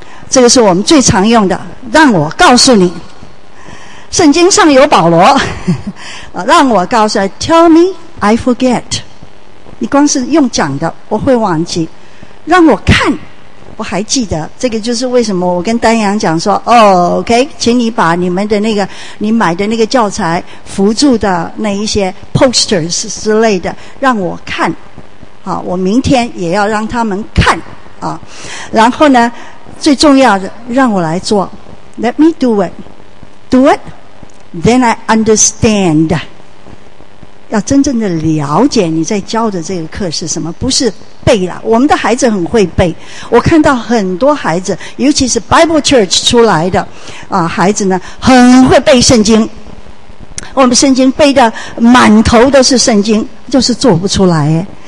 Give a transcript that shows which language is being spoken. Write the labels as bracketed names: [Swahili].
[Chinese] 这个是我们最常用的，让我告诉你，圣经上有保罗，让我告诉你 [English] Tell me I forget， [Chinese] 你光是用讲的我会忘记，让我看我还记得。这个就是为什么我跟丹阳讲说、OK， 请你把你们的那个你买的那个教材辅助的那一些 posters 之类的让我看啊，我明天也要让他们看啊。然后呢，最重要的让我来做 ， [English] Let me do it， do it， then I understand。 [Chinese] 要真正的了解你在教的这个课是什么，不是背啦。我们的孩子很会背，我看到很多孩子，尤其是 Bible Church 出来的啊，孩子呢很会背圣经，我们圣经背的满头都是圣经，就是做不出来耶。